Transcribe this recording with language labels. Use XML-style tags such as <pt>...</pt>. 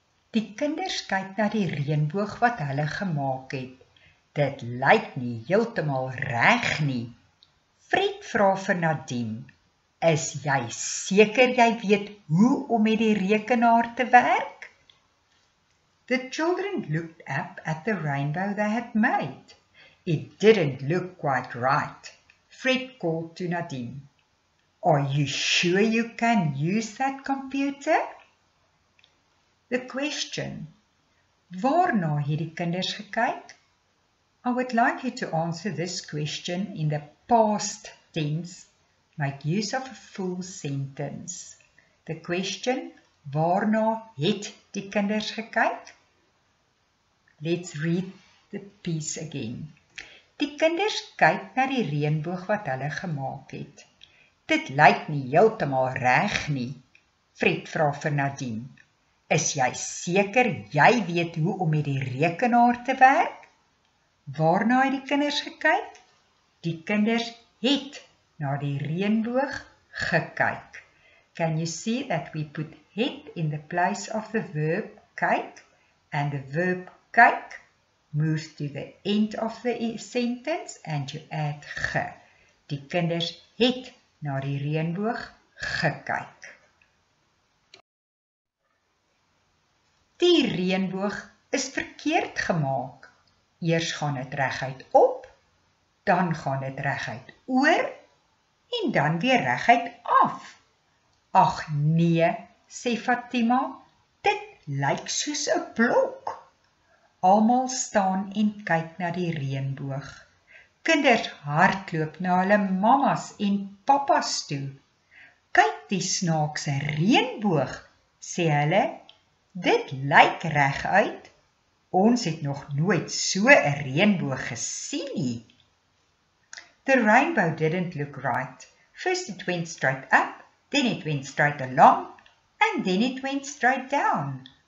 <af>Die kinders kyk na die reënboog wat hulle gemaak het. Dit lyk nie heeltemal reg nie. Fred vra vir Nadine, is jy seker jy weet hoe om met die rekenaar te werk?</af> <en>The children looked up at the rainbow they had made. It didn't look quite right. Fred called to Nadine, are you sure you can use that computer? The question,</en> <af>waarna het die kinders gekyk?</af> <en>I would like you to answer this question in the past tense. Make use of a full sentence. The question,</en> <af>waarna het die kinders gekyk?</af> <en>Let's read the piece again.</en> <af>Die kinders kyk na die reënboog wat hulle gemaak het. Dit lyk nie heeltemal reg nie. Fred vra vir Nadine, is jy seker jy weet hoe om met die rekenaar te werk? Waarna het die kinders gekyk? Die kinders het na die reënboog gekyk.</af> <en>Can you see that we put het in the place of the verb kyk? And the verb kyk moves to the end of the sentence and you add ge.</en> <af>Die kinders het na die reënboog gekyk. Die reënboog is verkeerd gemaak. Eers gaan het reguit op, dan gaan het reguit oor en dan weer reguit af. Ag nee, sê Fatima, dit lyk soos 'n blok. Almal staan en kyk na die reënboog. Kinders hardloop na hulle mamas en papas toe. Kyk die snaakse reënboog, sê hulle. Dit lyk reg uit. Ons het nog nooit so 'n reënboog gesien nie.</af> <en>The rainbow didn't look right. First it went straight up, then it went straight along, and then it went straight down.</en>